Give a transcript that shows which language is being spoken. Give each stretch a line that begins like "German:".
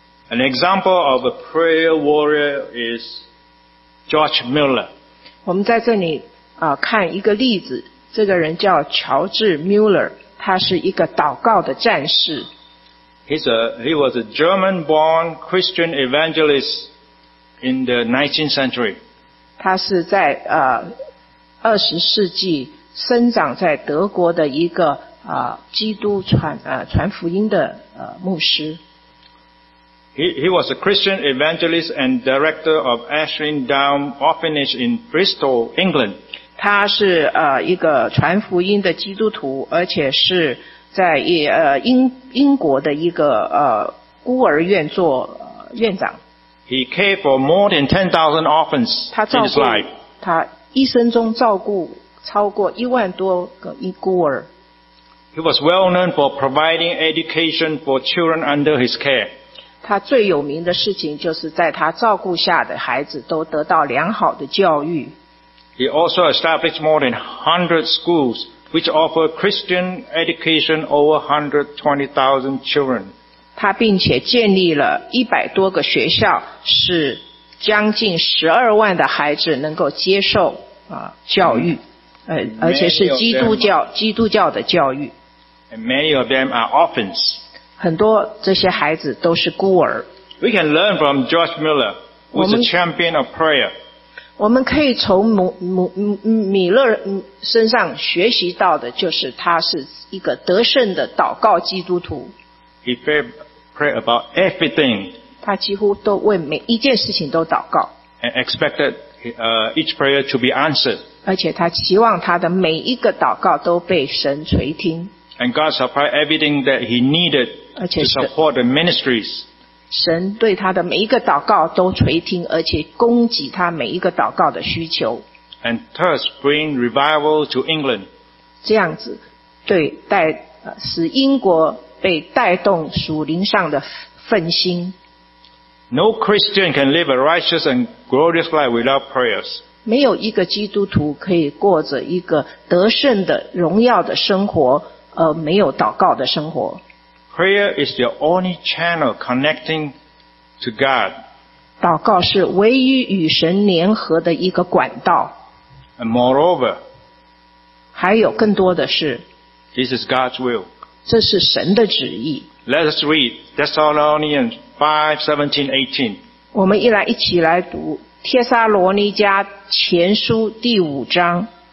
English: An example of a prayer warrior is George Mueller.
Chinese: 我们在这里看一个例子，这个人叫乔治·穆勒，他是一个祷告的战士。
English: He was a German-born Christian evangelist in the 19th century.
Chinese: 他是在20世纪生长在德国的一个基督传福音的牧师。
English: He was a Christian evangelist and director of Ashling Down Orphanage in Bristol, England.
Chinese: 他是一个传福音的基督徒，而且是在英国的一个孤儿院做院长。
English: He cared for more than 10,000 orphans in his life.
Chinese: 他一生中照顾超过10,000多个孤儿。
English: He was well known for providing education for children under his care.
Chinese: 他最有名的事情就是在他照顾下的孩子都得到良好的教育。
English: He also established more than 100 schools which offer Christian education over 120,000 children.
Chinese: 他并且建立了100多个学校，使将近12万的孩子能够接受教育，而且是基督教的教育。
English: And many of them are orphans.
Chinese: 很多这些孩子都是孤儿。
English: We can learn from George Mueller, who is a champion of prayer.
Chinese: 我们可以从米勒身上学习到的，就是他是一个得胜的祷告基督徒。
English: He prayed about everything.
Chinese: 他几乎都为每一件事情都祷告。
English: And expected each prayer to be answered.
Chinese: 而且他期望他的每一个祷告都被神垂听。
English: And God supplied everything that he needed to support the ministries.
Chinese: 神对他的每一个祷告都垂听，而且供给他每一个祷告的需求。
English: And thus bring revival to England.
Chinese: 这样子，对，带，使英国被带动属灵上的奋兴。
English: No Christian can live a righteous and glorious life without prayers.
Chinese: 没有一个基督徒可以过着一个得胜的荣耀的生活而没有祷告的生活。
English: Prayer is the only channel connecting to God.
Chinese: 祷告是唯一与神联合的一个管道。
English: And moreover,
Chinese: 还有更多的是，
English: This is God's will.
Chinese: 这是神的旨意。
English: Let us read Thessalonians 5:17-18.
Chinese: 我们一起来读帖撒罗尼迦前书第五章。